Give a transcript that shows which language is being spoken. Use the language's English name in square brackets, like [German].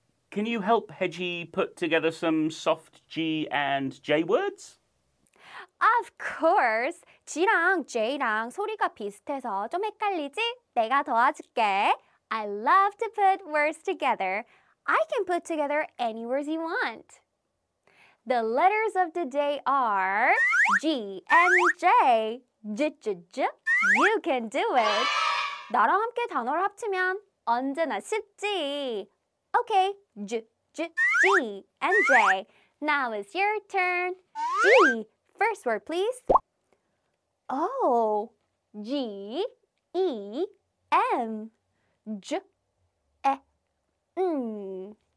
[English] Can you help Hedgy put together some soft G and J words? Of course. [Korean] G랑 J랑 소리가 비슷해서 좀 헷갈리지? 내가 도와줄게. [English] I love to put words together. I can put together any words you want. The letters of the day are G and J. J-J-J. You can do it. [Korean] 나랑 함께 단어를 합치면 언제나 쉽지. [English] Okay. J-J-G and J. Now it's your turn. G. First word, please. Oh, G-E-M, J-E-M.